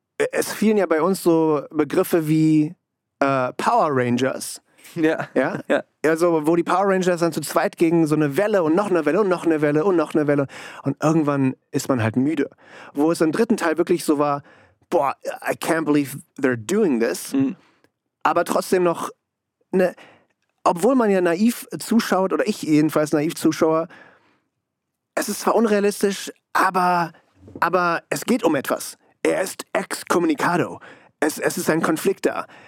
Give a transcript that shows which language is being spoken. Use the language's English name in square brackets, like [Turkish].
[German] Es fielen ja bei uns so Begriffe wie Power Rangers. Ja. Also, wo die Power Rangers dann zu zweit gegen so eine Welle und noch eine Welle und noch eine Welle und noch eine Welle. Und irgendwann ist man halt müde. Wo es im dritten Teil wirklich so war, [English] boah, I can't believe they're doing this. Mhm. [German] Aber trotzdem noch, ne, obwohl man ja naiv zuschaut, oder ich jedenfalls naiv Zuschauer, es ist zwar unrealistisch, aber es geht um etwas. Er ist excommunicado. Es ist ein Konflikt da.